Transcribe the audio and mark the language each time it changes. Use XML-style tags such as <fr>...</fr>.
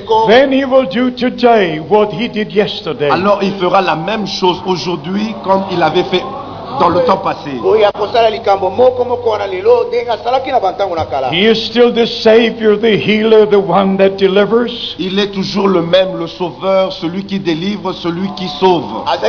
<en>then he will do today what he did yesterday.</en> <fr>Alors il fera la même chose aujourd'hui comme il avait fait dans le temps passé.</fr> <en>He is still the Savior, the healer, the one that delivers.</en> <fr>Il est toujours le même, le sauveur, celui qui délivre, celui qui sauve.</fr>